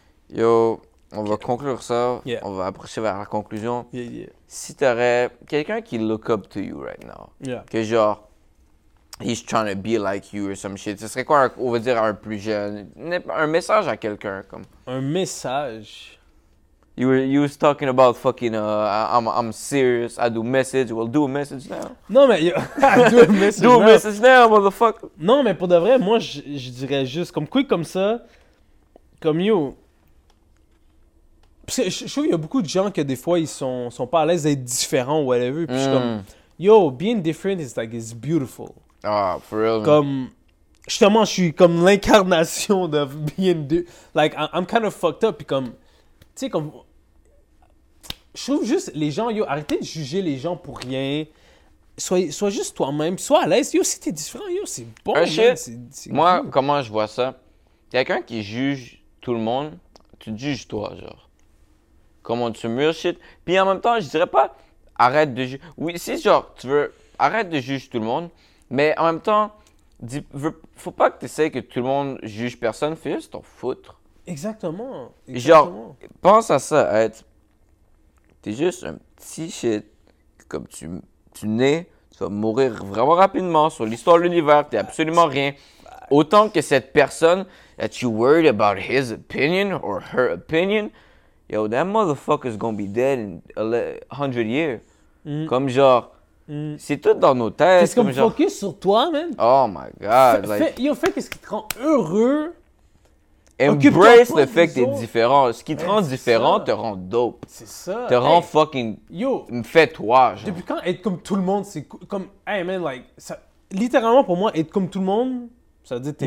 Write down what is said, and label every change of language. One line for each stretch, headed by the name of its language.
French: Yo, on va conclure ça.
English: Yeah.
French: On va approcher vers la conclusion.
English: Yeah, yeah.
French: Si t'aurais quelqu'un qui
English: look up to you right now,
French: que genre,
English: he's trying to be like you or some shit.
French: Ce serait quoi, on va dire, à un plus jeune? Un message à quelqu'un, comme. Un message?
English: You was talking about fucking, I'm serious, I do message. Well, do a message now.
French: Non, mais, yo,
English: do a message now. Do a message now, motherfucker.
French: Non, mais pour de vrai, moi, je dirais juste, comme
English: quick
French: comme ça, comme
English: you.
French: Parce que je trouve qu'il y a beaucoup de gens que des fois, ils sont pas à l'aise d'être différents ou whatever. Puis je suis comme,
English: yo, being different is like, it's beautiful. Ah, for real.
French: Comme, justement, je suis comme l'incarnation de
English: being like, I'm kind of fucked up.
French: Puis comme, tu sais, comme, je trouve juste les gens, yo, arrêtez de juger les gens pour rien. Sois juste toi-même, sois à l'aise. Yo, si t'es différent, yo, c'est bon. Man, c'est moi, cool. Comment je vois ça? Quelqu'un qui juge tout le monde, tu te juges toi, genre. Comment tu mûres,
English: shit.
French: Puis en même temps, je dirais pas, arrête de juger. Oui, si, genre, tu veux, arrête de juger tout le monde. Mais en même temps, faut pas que tu essaies que tout le monde juge personne, fais juste t'en foutre. Exactement. Genre, pense à ça, être. T'es juste un petit
English: shit.
French: Comme tu nais, tu vas mourir vraiment rapidement sur l'histoire de l'univers, t'es absolument rien. Autant que cette personne,
English: that you worried about his opinion or her opinion, yo, that motherfucker's gonna be dead in 100 years.
French: Mm. Comme genre. C'est tout dans nos têtes. Est-ce que tu
English: focus
French: genre... sur toi, man?
English: Oh my god.
French: Fait qu'est-ce qui te rend heureux?
English: Embrace
French: le fait que t'es différent. Ce qui te rend différent te rend
English: dope.
French: C'est ça. Te rend
English: fucking. Yo.
French: Fais-toi, genre. Depuis quand être comme tout le monde, c'est comme.
English: Hey man, like.
French: Ça... Littéralement pour moi, être comme tout le monde, ça veut dire t'es,